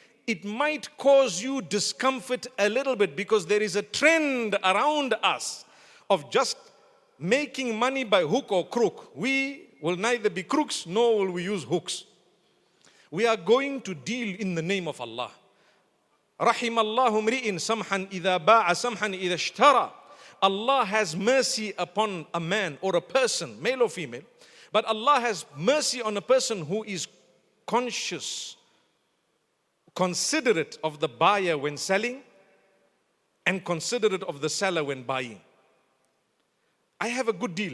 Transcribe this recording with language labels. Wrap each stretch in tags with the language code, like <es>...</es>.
<en>It might cause you discomfort a little bit because there is a trend around us of just making money by hook or crook. We will neither be crooks nor will we use hooks. We are going to deal in the name of Allah.</en> <ar>رحم الله امرئ سمحا إذا باع سمحا إذا اشترى.</ar> <en>Allah has mercy upon a man or a person, male or female, but Allah has mercy on a person who is conscious, considerate of the buyer when selling, and considerate of the seller when buying. I have a good deal.</en>